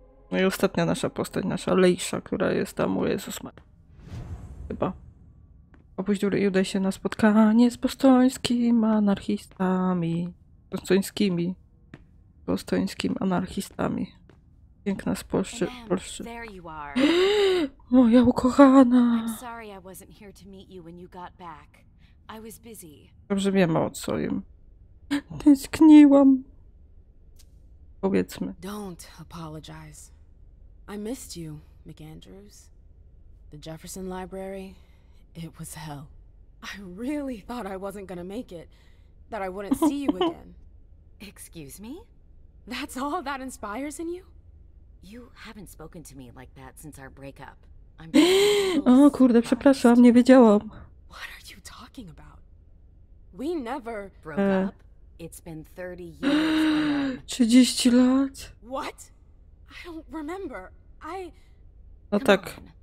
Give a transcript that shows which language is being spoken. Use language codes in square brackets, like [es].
[pl] No i ostatnia nasza postać, nasza Leisha, która jest tam, o Jezus Maria. Chyba. Opuść Dury i udaj się na spotkanie z bostońskimi anarchistami. Piękna spolszczyzna. [en] There you are. [pl] Moja ukochana! [en] I'm sorry I wasn't here to meet you when you got back. I was busy. [pl] Dobrze wiemy o co im. Tęskniłam. Powiedzmy. [en] Don't apologize. I missed you, McAndrews. The Jefferson Library, it was hell. I really thought I wasn't gonna make it, that I wouldn't see you again. Excuse me? That's all that inspires in you? You haven't spoken to me like that since our breakup. I'm oh, [pl] kurde, przepraszam, nie wiedziałam. [en] What are you talking about? We never broke up. It's been 30 years. [pl] 30 lat. [en] What? I don't remember. I... [pl] No tak.